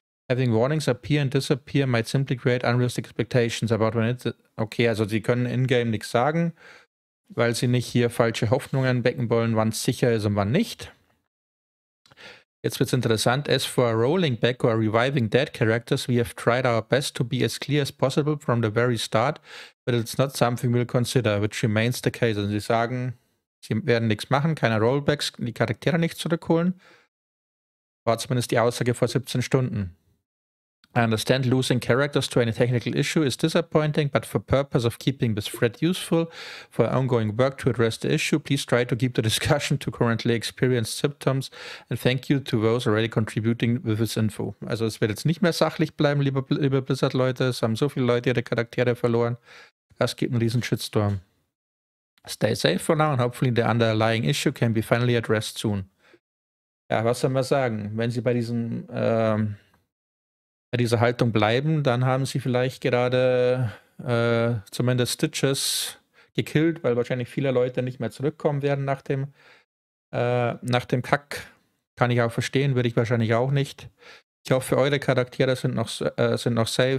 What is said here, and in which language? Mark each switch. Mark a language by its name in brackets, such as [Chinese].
[English] Having warnings appear and disappear might simply create unrealistic expectations about when it's... [German] Okay, also sie können in-game nichts sagen, weil sie nicht hier falsche Hoffnungen wecken wollen, wann es sicher ist und wann nicht. Jetzt wird's interessant. [English] As for a rolling back or reviving dead characters, we have tried our best to be as clear as possible from the very start, but it's not something we'll consider, which remains the case. [German] Also sie sagen, sie werden nichts machen, keine Rollbacks, die Charaktere nicht zurückholen. War zumindest die Aussage vor 17 Stunden. [English] I understand losing characters to any technical issue is disappointing, but for purpose of keeping this thread useful for ongoing work to address the issue, please try to keep the discussion to currently experienced symptoms and thank you to those already contributing with this info. [German] Also es wird jetzt nicht mehr sachlich bleiben, liebe Blizzard-Leute. Es haben so viele Leute ihre Charaktere verloren. Das gibt einen riesen Shitstorm. [English] Stay safe for now and hopefully the underlying issue can be finally addressed soon. [German] Ja, was soll man sagen? Wenn sie bei diesem... diese Haltung bleiben, dann haben sie vielleicht gerade zumindest Stitches gekillt, weil wahrscheinlich viele Leute nicht mehr zurückkommen werden nach dem Kack. Kann ich auch verstehen, würde ich wahrscheinlich auch nicht. Ich hoffe, eure Charaktere sind noch safe.